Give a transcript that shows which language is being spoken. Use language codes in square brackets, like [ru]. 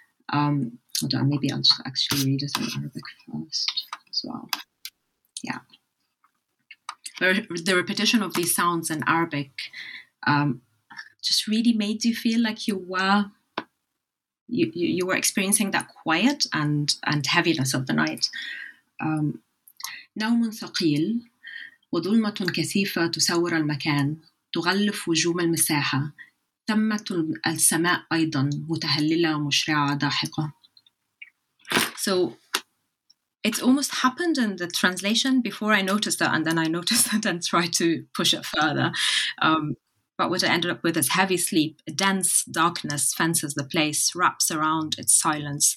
[en] Hold on, maybe I'll just actually read it in Arabic first as well. Yeah, the repetition of these sounds in Arabic just really made you feel like you were experiencing that quiet and heaviness of the night. [ar] نومٌ ثقيل وظلمة كثيفة تسور المكان تغلف وجوم المساحة تمت السماء أيضا متهللة مشرعة داحقة. [en] So it's almost happened in the translation before I noticed that, and then I noticed it and tried to push it further. But what I ended up with is heavy sleep, a dense darkness fences the place, wraps around its silence.